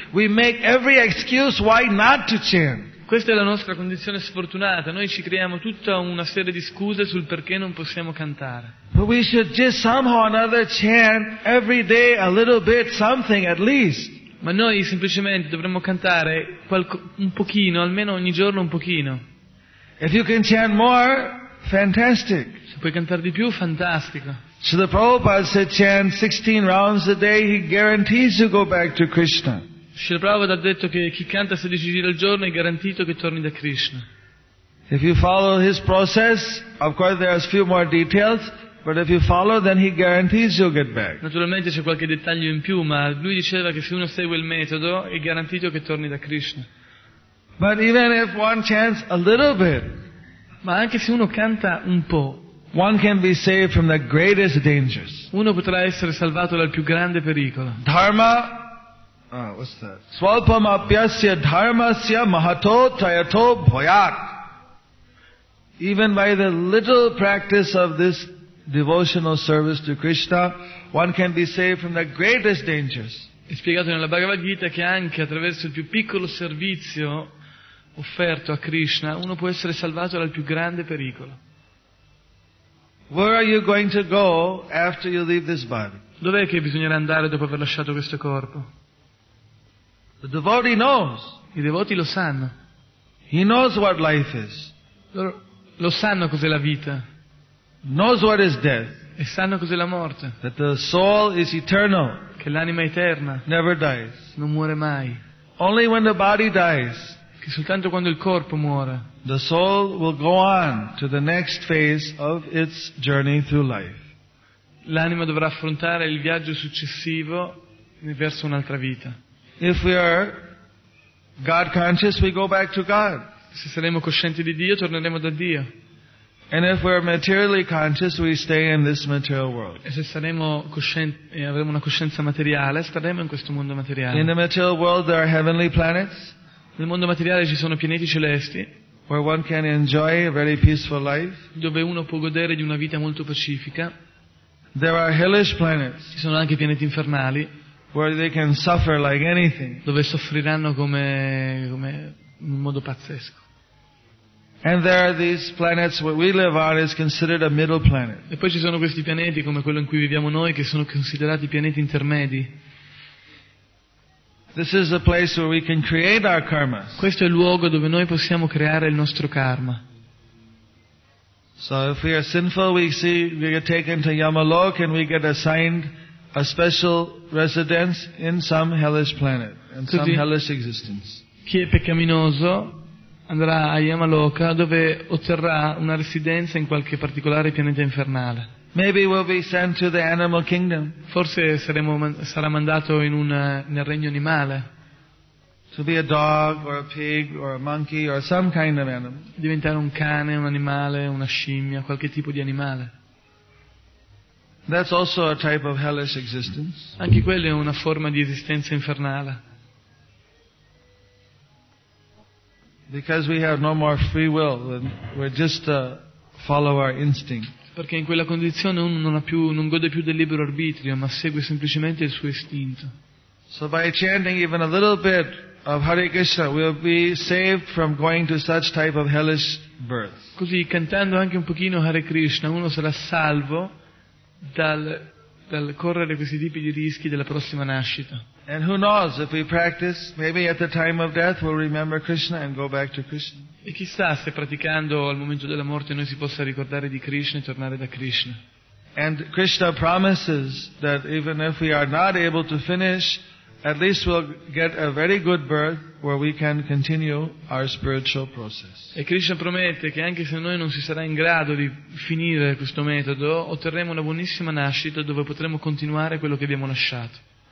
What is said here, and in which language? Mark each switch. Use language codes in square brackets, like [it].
[en] We make every excuse why not to chant. [it] Questa è la nostra condizione sfortunata. Noi ci creiamo tutta una serie di scuse sul perché non possiamo cantare. [en] But we should just somehow or another chant every day a little bit something at least. [it] Ma noi semplicemente dovremmo cantare un pochino, almeno ogni giorno un pochino. [en] If you can chant more, fantastic. [it] Se puoi cantare di più, fantastico. [en] So the Prabhupada said, chant 16 rounds a day, he guarantees you go back to Krishna. [it] Srila Prabhupada ha detto che chi canta 16 giri al giorno è garantito che torni da Krishna. [en] If you follow his process, of course there are a few more details, but if you follow, then he guarantees you'll get back. [it] Naturalmente c'è qualche dettaglio in più, ma lui diceva che se uno segue il metodo è garantito che torni da Krishna. [en] But even if one chants a little bit, [it] Ma anche se uno canta un po', [en] one can be saved from the greatest dangers. [it] Uno potrà essere salvato dal più grande pericolo. [sa] Dharma, [en] what's that? [sa] Svalpam apyasya dharmasya mahato tayato bhoyat. [en] Even by the little practice of this devotional service to Krishna, one can be saved from the greatest dangers. [it] È spiegato nella Bhagavad Gita che anche attraverso il più piccolo servizio offerto a Krishna, uno può essere salvato dal più grande pericolo. [en] Where are you going to go after you leave this body? [it] Dov'è che bisognerà andare dopo aver lasciato questo corpo? [en] The devotee knows. [it] I devoti lo sanno. [en] He knows what life is. [it] Lo sanno cos'è la vita. [en] Knows what is death. [it] E sanno cos'è la morte. [en] That the soul is eternal. [it] Che l'anima è eterna. [en] Never dies. [it] Non muore mai. [en] Only when the body dies. [it] Che soltanto quando il corpo muore. [en] The soul will go on to the next phase of its journey through life. [it] L'anima dovrà affrontare il viaggio successivo verso un'altra vita. [en] If we are God conscious, we go back to God. [it] Se saremo coscienti di Dio, torneremo da Dio. [en] And if we are materially conscious, we stay in this material world. [it] E se saremo coscienti e avremo una coscienza materiale, staremo in questo mondo materiale. [en] In the material world there are heavenly planets. [it] Nel mondo materiale ci sono pianeti celesti. [en] Where one can enjoy a very peaceful life. [it] Dove uno può godere di una vita molto pacifica. [en] There are hellish planets. [it] Ci sono anche pianeti infernali. [en] Where they can suffer like anything. [it] Dove soffriranno come in modo pazzesco. [en] And there are these planets where we live on is considered a middle planet. [it] E poi ci sono questi pianeti come quello in cui viviamo noi che sono considerati pianeti intermedi. [en] This is a place where we can create our karma. [it] Questo è il luogo dove noi possiamo creare il nostro karma. [en] So if we are sinful, we see we get taken to Yamalok and we get assigned a special residence in some hellish planet and some hellish existence. [it] Chi è peccaminoso andrà a Yamaloka dove otterrà una residenza in qualche particolare pianeta infernale. [en] Maybe we'll be sent to the animal kingdom. [it] Forse sarà mandato nel regno animale. [en] To be a dog or a pig or a monkey or some kind of animal. [it] Diventare un cane, un animale, una scimmia, qualche tipo di animale. [en] That's also a type of hellish existence. [it] Anche quella è una forma di esistenza infernale. [en] Because we have no more free will, we're just a follower instinct. [it] Perché in quella condizione uno non gode più del libero arbitrio, ma segue semplicemente il suo istinto. [en] So by chanting even a little bit of Hare Krishna, we'll be saved from going to such type of hellish birth. [it] Così cantando anche un pochino Hare Krishna, uno sarà salvo dal correre questi tipi di rischi della prossima nascita. [en] And who knows if we practice, maybe at the time of death we'll remember Krishna and go back to Krishna. [it] E chissà se praticando al momento della morte noi si possa ricordare di Krishna e tornare da Krishna. [en] And Krishna promises that even if we are not able to finish, at least we'll get a very good birth where we can continue our spiritual process. [it] E Krishna promette che anche se noi non si sarà in grado di finire questo metodo, otterremo una buonissima nascita dove potremo continuare quello che abbiamo lasciato.